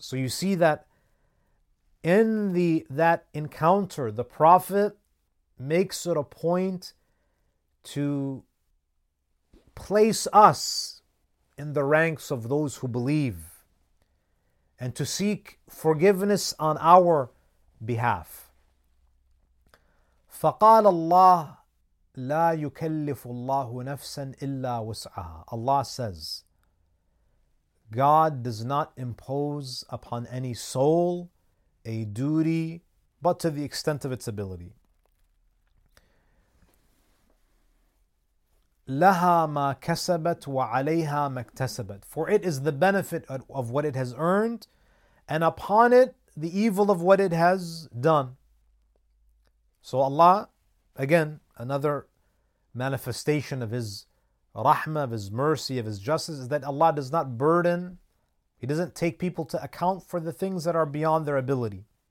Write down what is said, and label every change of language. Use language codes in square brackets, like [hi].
[en] So you see that in that encounter, the Prophet makes it a point to place us in the ranks of those who believe and to seek forgiveness on our behalf. [ar] فقال الله لا يكلف الله نفسا إلا وسعها. [en] Allah says, God does not impose upon any soul a duty but to the extent of its ability. [ar] لها ما كسبت وعليها ما اكتسبت. [en] For it is the benefit of what it has earned, and upon it the evil of what it has done. So Allah, again, another manifestation of His rahmah, of His mercy, of His justice, is that Allah does not burden, He doesn't take people to account for the things that are beyond their ability.